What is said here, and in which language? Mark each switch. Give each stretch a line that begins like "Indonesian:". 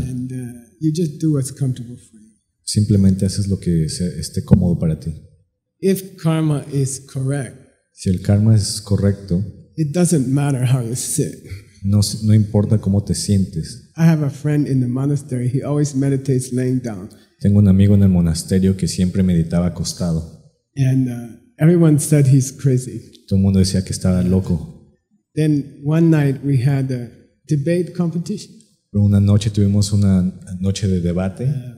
English: And you just do what's comfortable for you.
Spanish: Simplemente haces lo que esté cómodo para ti.
English: If karma is correct,
Spanish: si el karma es correcto,
English: it doesn't matter how you sit.
Spanish: No importa cómo te sientes.
English: I have a friend in the monastery. He always meditates laying down.
Spanish: Tengo un amigo en el monasterio que siempre meditaba acostado.
English: And everyone said he's crazy.
Spanish: Todo el mundo decía que estaba loco.
English: Then one night we had a debate competition.
Spanish: Pero una noche tuvimos una noche de debate